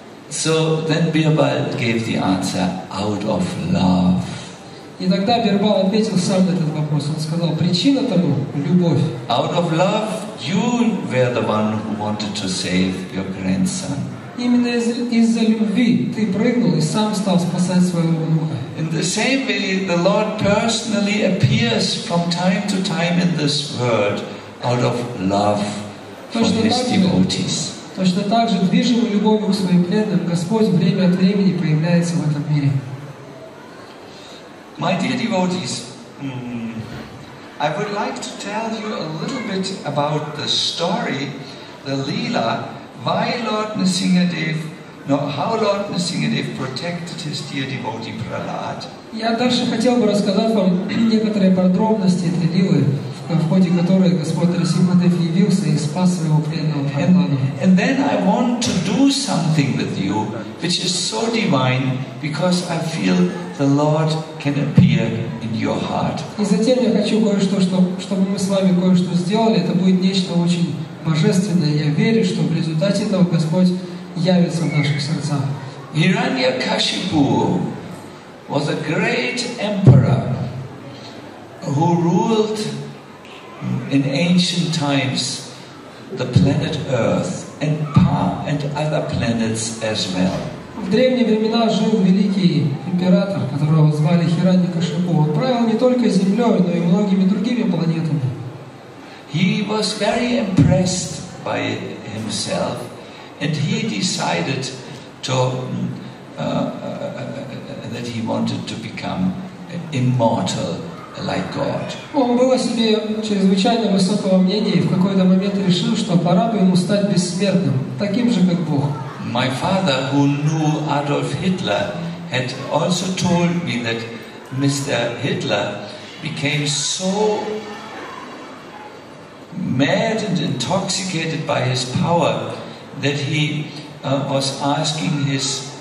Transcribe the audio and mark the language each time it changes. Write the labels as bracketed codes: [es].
[en] So then Birbal gave the answer out of love. [ru] И тогда Бирбал ответил сам на этот вопрос. Он сказал, причина тому — любовь. [en] Out of love, you were the one who wanted to save your grandson. [ru] Именно из-за любви ты прыгнул и сам стал спасать своего внука. [en] In the same way, the Lord personally appears from time to time in this world out of love for His devotees. [ru] Точно так же, движимый любовью к своим преданным, Господь время от времени появляется в этом мире. [en] My dear devotees, I would like to tell you a little bit about the story, the Leela, how Lord Nrsimhadev protected his dear devotee Prahlad. [ru] Я также хотел бы рассказать вам некоторые подробности этой лилы, в ходе которой Господь Нрсимхадев явился и спас своего преданного Прахлада. [en] And then I want to do something with you, which is so divine, because I feel the Lord can appear in your heart. [ru] И затем я хочу кое-что, чтобы мы с вами кое-что сделали, это будет нечто очень божественное. Я верю, что в результате этого Господь явится в наших сердцах. [en] Hiranyakashipu was a great emperor who ruled in ancient times the planet Earth and other planets as well. [ru] В древние времена жил великий император, которого звали Hiranyakashipu. Он правил не только Землей, но и многими другими планетами. [en] He was very impressed by himself, and he decided that he wanted to become immortal like God. [ru] Он был о себе чрезвычайно высокого мнения и в какой-то момент решил, что пора бы ему стать бессмертным, таким же как Бог. [en] My father, who knew Adolf Hitler, had also told me that Mr. Hitler became so mad and intoxicated by his power that he was asking his